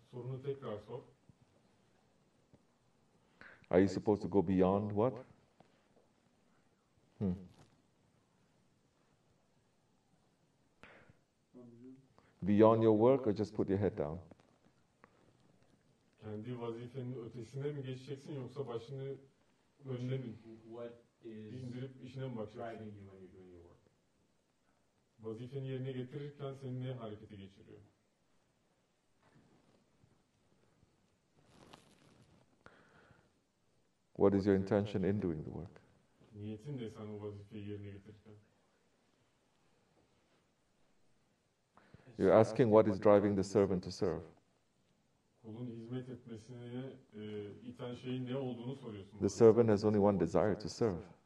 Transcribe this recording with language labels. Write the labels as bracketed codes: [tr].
[tr] Sorunu tekrar sor. [en] Are you supposed to go beyond what? Beyond your work, or just put your head down? [tr] Kendi vazifenin ötesine mi geçeceksin, yoksa başını önüne mi indirip işine mi bakacaksın? Vazifeni yerine getirirken seni ne harekete geçiriyor? [en] What is your intention in doing the work? [tr] Niyetin de sen o vazifeyi yerine getirirken. [en] You're asking what is driving the servant to serve. [tr] Kulun hizmet etmesine iten şeyin ne olduğunu soruyorsun. [en] The servant has only one desire to serve.